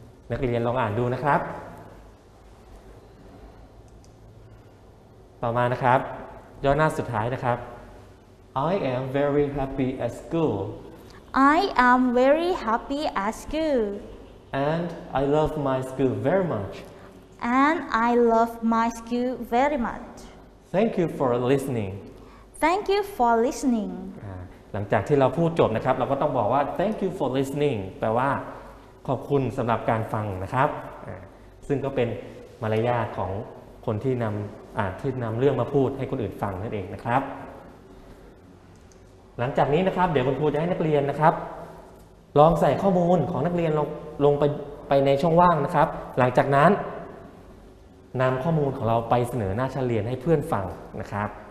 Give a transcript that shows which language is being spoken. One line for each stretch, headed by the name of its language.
Thai: นักเรียนลองอ่านดูนะครับต่อมานะครับย่อหน้าสุดท้ายนะครับ
English: I am very happy at school. I am very happy at school. And I love my school very much. And I love my school very much. Thank you for listening. Thank you for listening.
Thai: หลังจากที่เราพูดจบนะครับเราก็ต้องบอกว่า
English: Thank you for listening
Thai: แปลว่าขอบคุณสำหรับการฟังนะครับซึ่งก็เป็นมารยาทของคนที่นำเรื่องมาพูดให้คนอื่นฟังนั่นเองนะครับหลังจากนี้นะครับเดี๋ยวคุณครูจะให้นักเรียนนะครับลองใส่ข้อมูลของนักเรียนลงไปในช่องว่างนะครับหลังจากนั้นนำข้อมูลของเราไปเสนอหน้าชั้นเรียนให้เพื่อนฟังนะครับ